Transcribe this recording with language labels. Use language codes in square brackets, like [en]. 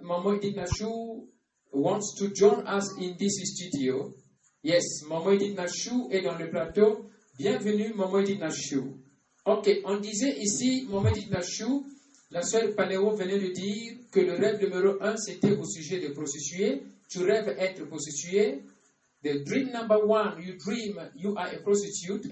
[en] Maman Edith Nachou wants to join us in this studio. [fr] Yes, maman Edith Nachou est dans le plateau. Bienvenue, maman Edith Nachou. Ok, on disait ici, Maman Edith Nachou, la sœur Palewa venait de dire que le rêve numéro un, c'était au sujet de prostituée. Tu rêves être prostituée. [en] The dream number one, you dream you are a prostitute.